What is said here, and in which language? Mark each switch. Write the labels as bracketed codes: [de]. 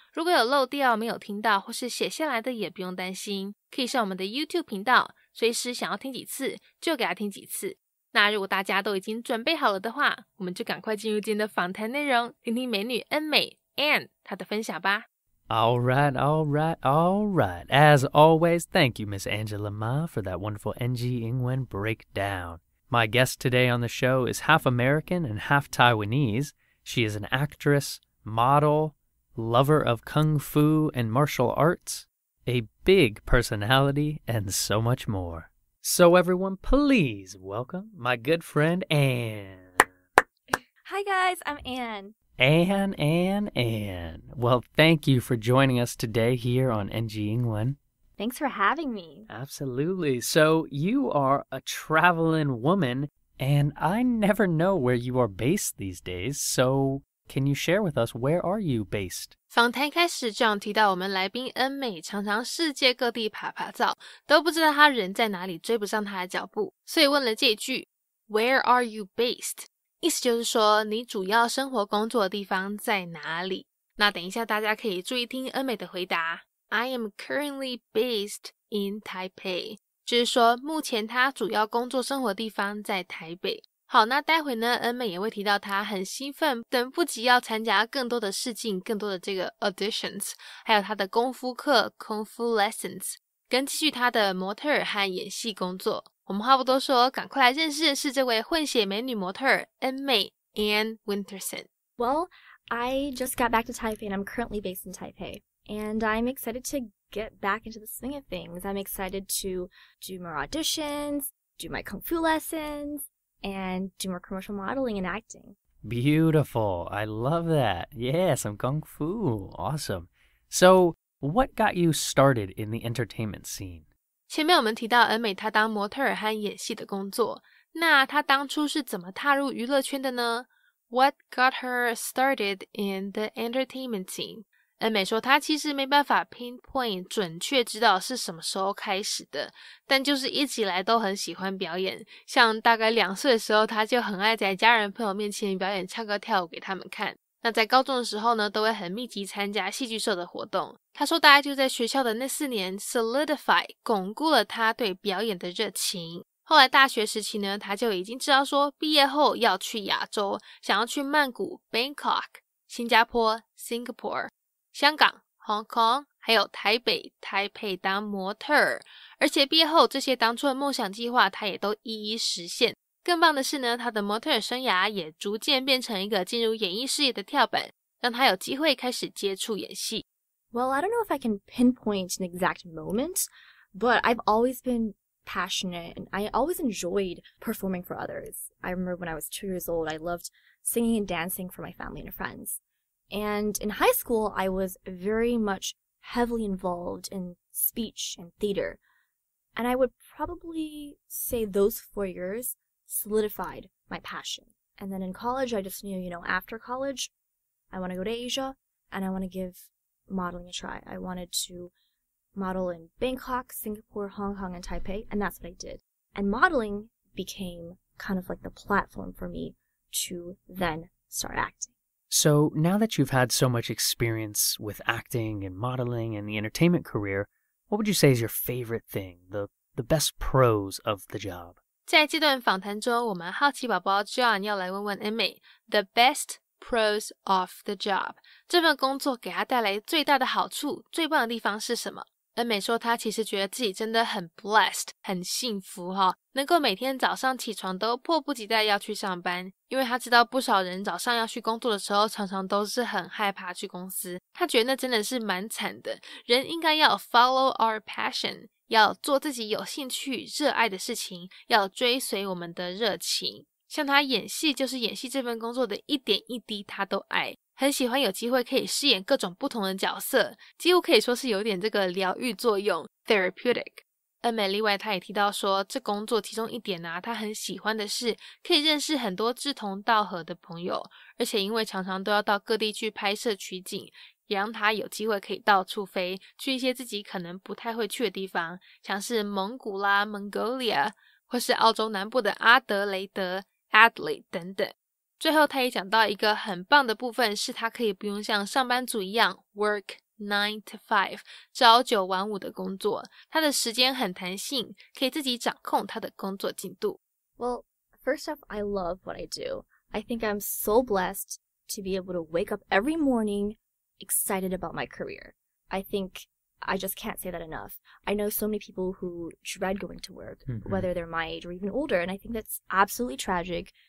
[zh] 如果有漏掉没有听到或是写下来的也不用担心，可以上我们的 YouTube 频道，随时想要听几次就给他听几次。那如果大家都已经准备好了的话，我们就赶快进入今天的访谈内容，听听美女恩美 Anne 她的分享吧。 [en] All right, all right, all right. As always, thank you, Miss Angela Ma, for that wonderful NG Ingwen breakdown. My guest today on the show is half American and half Taiwanese. She is an actress, model, lover of kung fu and martial arts, a big personality, and so much more. So everyone, please welcome my good friend, Anne. Hi guys, I'm Anne. Anne. Well, thank you for joining us today here on NG Ingwen. Thanks for having me. Absolutely. So you are a traveling woman, and I never know where you are based these days. So can you share with us where are you based? [zh] 访谈开始 ，John 提到我们来宾恩美常常世界各地爬爬照，都不知道他人在哪里，追不上他的脚步，所以问了这句 ， [en] Where are you based? [zh] 意思就是说你主要生活工作的地方在哪里。那等一下大家可以注意听恩美的回答。 [en] I am currently based in Taipei. [zh] 就是说目前他主要工作生活地方在台北。好，那待会呢恩美也会提到他很兴奋等不及要参加更多的试镜，更多的这个 auditions, 还有他的功夫课 功夫lessons, 跟继续他的模特儿和演戏工作。我们话不多说，赶快来认识认识这位混血美女模特儿恩美 Anne Winterson. [en] Well, I just got back to Taipei and I'm currently based in Taipei. And I'm excited to get back into the swing of things. I'm excited to do more auditions, do my kung fu lessons, and do more commercial modeling and acting. Beautiful. I love that. Yeah, some kung fu. Awesome. So, what got you started in the entertainment scene? [zh] 前面我们提到恩美她当模特儿和演戏的工作，那她当初是怎么踏入娱乐圈的呢？ [en] What got her started in the entertainment scene? [zh] 恩美说她其实没办法 pinpoint 准确知道是什么时候开始的，但就是一直以来都很喜欢表演，像大概两岁的时候她就很爱在家人朋友面前表演唱歌跳舞给他们看。那在高中的时候呢，都会很密集参加戏剧社的活动。他说大概就在学校的那四年 solidify, 巩固了他对表演的热情。后来大学时期呢，他就已经知道说毕业后要去亚洲，想要去曼谷 Bangkok, 新加坡 Singapore, 香港 Hong Kong, 还有台北 Taipei 当模特儿。而且毕业后这些当初的梦想计划他也都一一实现。更棒的是呢，他的模特儿生涯也逐渐变成一个进入演艺事业的跳板，让他有机会开始接触演戏。 [en] Well, I don't know if I can pinpoint an exact moment, but I've always been passionate and I always enjoyed performing for others. I remember when I was 2 years old, I loved singing and dancing for my family and friends. And in high school, I was very much heavily involved in speech and theater. And I would probably say those 4 years. Solidified my passion. And then in college, I just knew, you know, after college, I want to go to Asia and I want to give modeling a try. I wanted to model in Bangkok, Singapore, Hong Kong, and Taipei, and that's what I did. And modeling became kind of like the platform for me to then start acting. So now that you've had so much experience with acting and modeling and the entertainment career, what would you say is your favorite thing, the best pros of the job? [zh] 在这段访谈中，我们好奇宝宝 John 要来问问 Anne [en] the best pros of the job [zh] 这份工作给他带来最大的好处，最棒的地方是什么？ Anne 说他其实觉得自己真的很 blessed， 很幸福哈，能够每天早上起床都迫不及待要去上班，因为他知道不少人早上要去工作的时候，常常都是很害怕去公司。他觉得那真的是蛮惨的。人应该要 [en] follow our passion。 [zh] 要做自己有兴趣热爱的事情，要追随我们的热情。像他演戏就是演戏这份工作的一点一滴他都爱，很喜欢有机会可以饰演各种不同的角色，几乎可以说是有点这个疗愈作用 therapeutic。恩美另外他也提到说，这工作其中一点啊，他很喜欢的是可以认识很多志同道合的朋友，而且因为常常都要到各地去拍摄取景，也让他有机会可以到处飞，去一些自己可能不太会去的地方，像是蒙古啦 Mongolia， 或是澳洲南部的阿德雷德 Adelaide 等等。最后他也讲到一个很棒的部分，是他可以不用像上班族一样 [en] work 9 to 5， [zh] 朝九晚五的工作，他的时间很弹性，可以自己掌控他的工作进度。 [en] Well, first off, I love what I do. I think I'm so blessed to be able to wake up every morningExcited about my career. I think I just can't say that enough. I know so many people who dread going to work, whether they're my age or even older, and I think that's absolutely tragic.